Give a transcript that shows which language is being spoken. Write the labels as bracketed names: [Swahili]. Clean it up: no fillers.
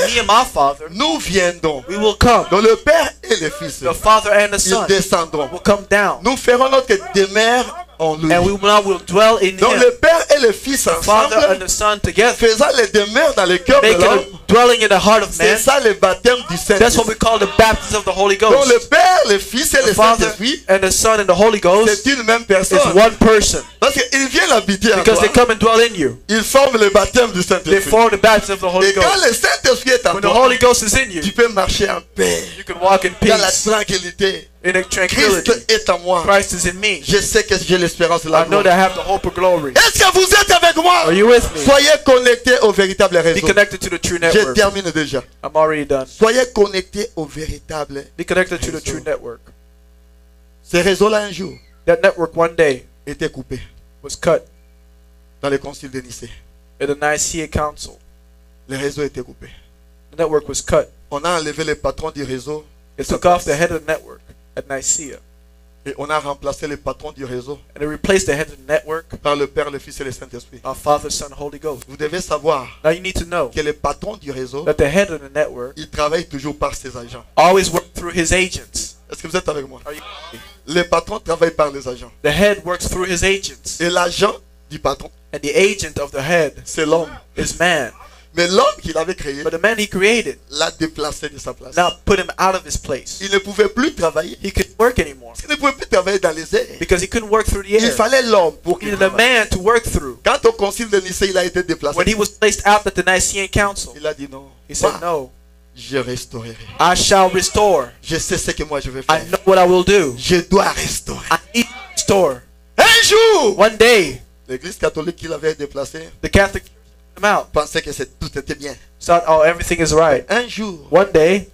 [English] me and my father, [French] nous viendrons. [English] We will come. [French] Donc le père et le fils, [English] the father and the son, [French] ils descendront. [English] Will come down. [French] Nous ferons notre demeure en lui. [English] And we will dwell in [French] donc [English] him. [French] Le père et le fils ensemble, [English] the father and the son together, [French] faisant les demeures dans le cœur de l'homme, [English] dwelling in the heart of man. [French] C'est ça le baptême du Saint-Esprit. [English] That's what we call the baptism of the Holy Ghost. [French] Donc le père, le fils et [English] the [French] le Saint-Esprit, [English] and the son and the Holy Ghost, [French] c'est une même personne. [English] Is one person. [French] Parce qu'ils viennent habiter en toi. [English] Because they come and dwell in you. [French] Ils forment le baptême du Saint-Esprit. [English] They form the baptism of the Holy Ghost. [French] Et quand le Saint-Esprit est en toi, [English] when the Holy Ghost is in you, [French] tu peux marcher en paix. [English] You can walk in peace. [French] Dans la tranquillité. [English] In a tranquility. [French] Christ est en moi. [English] Christ is in me. [French] Je sais que j'ai l'espérance de la [English] I know that I have the hope of glory. [French] Est-ce que vous êtes avec moi? [English] Are you with me? [French] Soyez connectés au véritable réseau. [English] Be connected to the true network. [French] Je termine déjà. [English] I'm already done. [French] Soyez connectés au véritable réseau. [English] Be connected to the true network. [French] Ce réseau-là un jour, [English] that network one day, [French] était coupé. [English] Was cut. [French] Dans le Concile de Nicée. [English] At the Nicaea Council. [French] Le réseau était coupé. [English] The network was cut. [French] On a enlevé le patron du réseau. [English] It took off the head of the network. At Nicaea. [French] Et on a remplacé le patron du réseau. [English] And they replaced the head of the network. [French] Par le Père, le Fils et le Saint-Esprit. [English] Our Father, Son, Holy Ghost. [French] Vous devez savoir. [English] Now you need to know. [French] Que le patron du réseau. [English] That the head of the network. [French] Il travaille toujours par ses agents. [English] Always work through his agents. [French] Est-ce que vous êtes avec moi? Le patron travaille par les agents. [English] The head works through his agents. [French] Et l'agent du patron. [English] And the agent of the head. [French] C'est l'homme. [English] Is man. [French] Mais l'homme qu'il avait créé, [English] but the man he created, [French] l'a déplacé de sa place. [English] Now put him out of his place. [French] Il ne pouvait plus travailler. [English] He couldn't work anymore. [French] Il ne pouvait plus travailler dans les airs. [English] Because he couldn't work through the air. [French] Il fallait l'homme pour qu'il travaille. [English] He needed a man to work through. [French] Quand au concile de Nicée, il a été déplacé. [English] When he was placed out at the Nicene Council, [French] il a dit non. [English] He said no. [French] Je restaurerai. [English] I shall restore. [French] Je sais ce que moi je vais faire. [English] I know what I will do. [French] Je dois restaurer. [English] I need to restore. [French] Un jour, [English] one day, [French] l'Église catholique qu'il avait déplacé, [English] the Catholic out. [French] Pensait que c'est, tout était bien. [English] Thought, oh, everything is right. [French] Un jour, [English] one day,